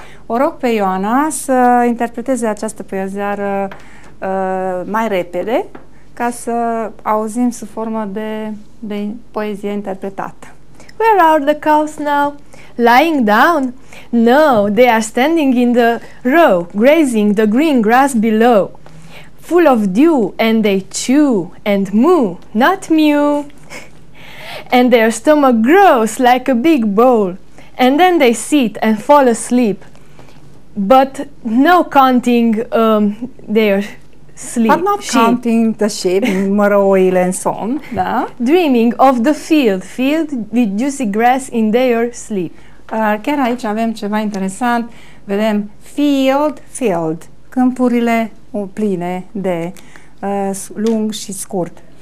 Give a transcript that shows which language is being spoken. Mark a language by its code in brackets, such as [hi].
[ro] O rog pe Ioana să interpreteze această poezară mai repede, ca să auzim sub formă de poezie interpretată. [en] Where are the cows now? Lying down? No, they are standing in the row, grazing the green grass below. Full of dew, and they chew and moo, not mew. And their stomach grows like a big bowl. And then they sit and fall asleep. But no counting their sleep. But not sheep. Counting the sheep, [ro] mărăoile în somn, da? [en] Dreaming of the field, filled with juicy grass in their sleep. [ro] Chiar aici avem ceva interesant. Vedem field, field, câmpurile pline de lung și scurt.